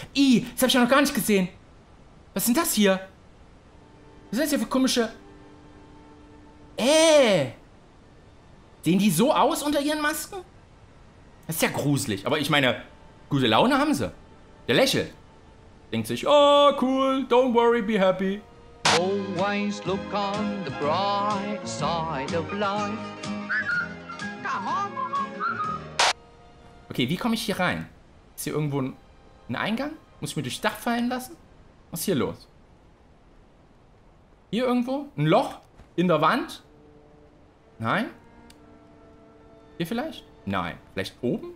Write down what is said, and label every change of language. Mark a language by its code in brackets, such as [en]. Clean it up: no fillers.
[de] Ih, das habe ich ja noch gar nicht gesehen. Was sind das hier? Was sind das hier für komische... Sehen die so aus unter ihren Masken? Das ist ja gruselig. Aber ich meine, gute Laune haben sie. Der lächelt. Denkt sich, [en] oh cool, don't worry, be happy. Always look on the bright side of life. Come on. [de] Okay, wie komme ich hier rein? Ist hier irgendwo ein Eingang? Muss ich mir durchs Dach fallen lassen? Was ist hier los? Hier irgendwo? Ein Loch? In der Wand? Nein? Hier vielleicht? Nein. Vielleicht oben?